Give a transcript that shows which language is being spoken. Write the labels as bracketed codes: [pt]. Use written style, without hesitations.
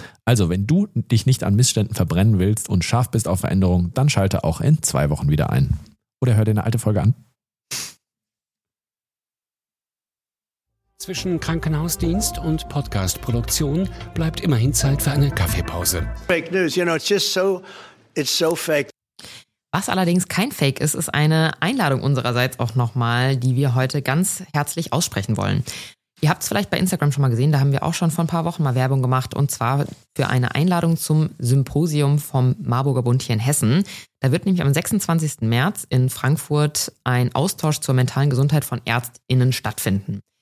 [de] Also, wenn du dich nicht an Missständen verbrennen willst und scharf bist auf Veränderungen, dann schalte auch in 2 Wochen wieder ein. Oder hör dir eine alte Folge an. Zwischen Krankenhausdienst und Podcastproduktion bleibt immerhin Zeit für eine Kaffeepause. [en] Fake news, you know, it's just so, it's so fake. [de] Was allerdings kein Fake ist, ist eine Einladung unsererseits auch nochmal, die wir heute ganz herzlich aussprechen wollen. Ihr habt es vielleicht bei Instagram schon mal gesehen, da haben wir auch schon vor ein paar Wochen mal Werbung gemacht und zwar für eine Einladung zum Symposium vom Marburger Bund hier in Hessen. Da wird nämlich am 26. März in Frankfurt ein Austausch zur mentalen Gesundheit von ÄrztInnen stattfinden.